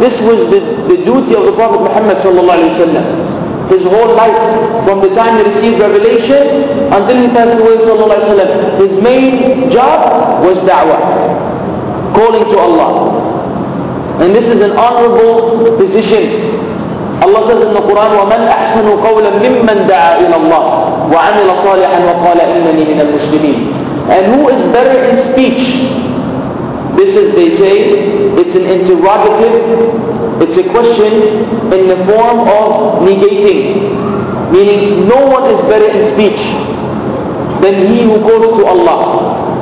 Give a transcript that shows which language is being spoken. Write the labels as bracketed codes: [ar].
[en] This was the duty of the Prophet Muhammad sallallahu alaihi wasallam. His whole life, from the time he received revelation until he passed away sallallahu alaihi wasallam, his main job was da'wah, calling to Allah. And this is an honorable position. Allah says in the Quran, [ar] وَمَنْ أَحْسَنُ قَوْلًا مِمَّنْ دَعَى إِلَى اللَّهِ وَعَمِلَ صَالِحًا وَقَالَ إِنَّنِي مِنَ الْمُسْلِمِينَ. [en] And who is better in speech? This is, they say, it's an interrogative, it's a question in the form of negating. Meaning, no one is better in speech than he who goes to Allah.